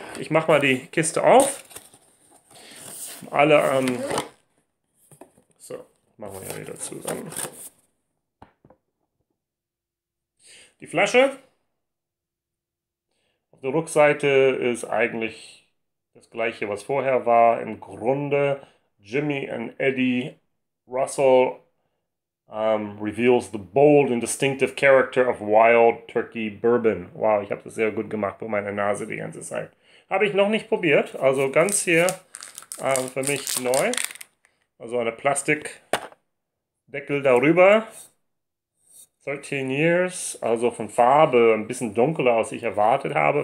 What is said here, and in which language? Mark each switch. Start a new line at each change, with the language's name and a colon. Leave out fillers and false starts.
German: Ich mache mal die Kiste auf. Alle, so, machen wir ja wieder zusammen. Die Flasche. Auf der Rückseite ist eigentlich das gleiche, was vorher war. Im Grunde.
English: Jimmy and Eddie Russell reveals the bold and distinctive character of Wild Turkey Bourbon.
German: Wow, ich habe das sehr gut gemacht bei meiner Nase die ganze Zeit. Habe ich noch nicht probiert, also ganz hier für mich neu. Also eine Plastikdeckel darüber. 13 Years, also von Farbe ein bisschen dunkler, als ich erwartet habe.